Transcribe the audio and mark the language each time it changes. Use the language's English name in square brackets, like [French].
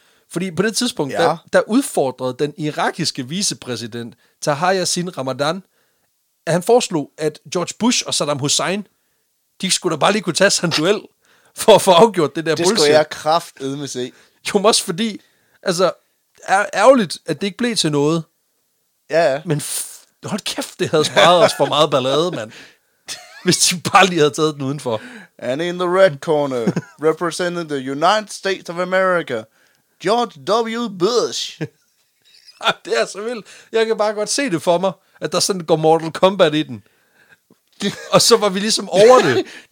[Danish] Fordi på det tidspunkt, der udfordrede den irakiske vicepræsident Taha Yassin Ramadan, at han foreslog, at George Bush og Saddam Hussein, de skulle da bare lige kunne tage sig en duel for at få afgjort det der det bullshit. Det skulle jeg kraftedme se. Jo, også fordi, altså, ærgerligt, at det ikke blev til noget. Ja. Men hold kæft, det havde sparet os for meget ballade, mand. Hvis de bare lige havde taget den udenfor. [English] And in the red corner, representing the United States of America, George W. Bush. [Danish] Det er så vildt. Jeg kan bare godt se det for mig, at der sådan går Mortal Kombat i den. Og så var vi ligesom over det.